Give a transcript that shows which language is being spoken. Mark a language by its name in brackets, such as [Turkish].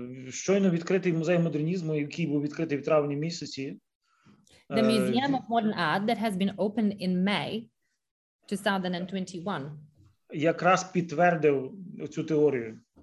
[Ukrainian] Щойно відкритий музей модернізму, який був відкритий в травні місяці. [English] The Museum of Modern Art that has been opened in May 2021. [Ukrainian] Якраз підтвердив цю теорію.